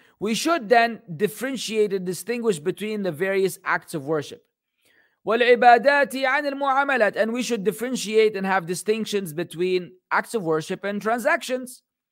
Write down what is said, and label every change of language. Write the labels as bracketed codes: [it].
[en] We should then differentiate and distinguish between the various acts of worship. [ar] والعبادات عن المعاملات. [en] And we should differentiate and have distinctions between acts of worship and transactions.